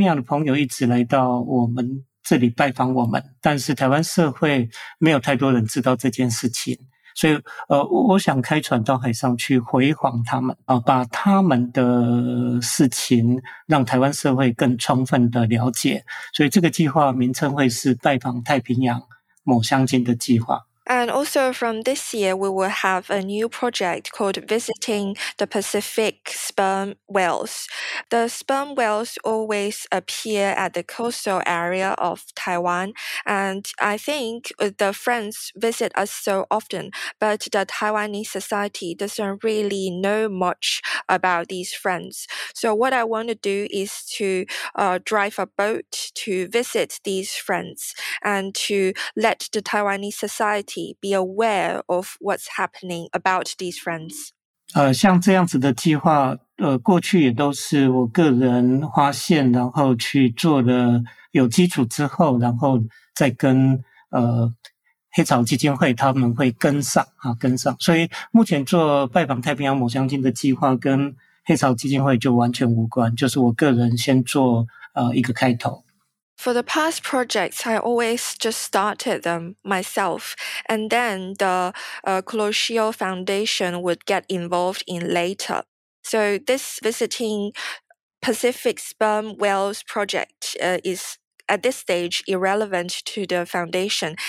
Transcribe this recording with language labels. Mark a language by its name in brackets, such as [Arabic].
[Chinese] 比如说我今年之后会去执行的一个计划就是太平洋抹香鲸，我发现过去这些年来发现有一群太平洋抹香鲸经常在我们的沿海活动，那朋友太平洋的朋友一直来到我们 这里拜访我们，但是台湾社会没有太多人知道这件事情，所以我想开船到海上去回访他们，把他们的事情让台湾社会更充分的了解，所以这个计划名称会是拜访太平洋抹香鲸的计划。 [English] And also from this year, we will have a new project called Visiting the Pacific Sperm Whales. The sperm whales always appear at the coastal area of Taiwan. And I think the friends visit us so often, but the Taiwanese society doesn't really know much about these friends. So what I want to do is to drive a boat to visit these friends and to let the Taiwanese society be aware of what's happening about these friends. [Chinese] 像这样子的计划，过去也都是我个人发现，然后去做了有基础之后，然后再跟黑潮基金会他们会跟上啊，跟上。所以目前做拜访太平洋抹香鲸的计划跟黑潮基金会就完全无关，就是我个人先做一个开头。 [English] For the past projects, I always just started them myself, and then the Colossio Foundation would get involved in later. So this Visiting Pacific Sperm Whales project is at this stage irrelevant to the foundation.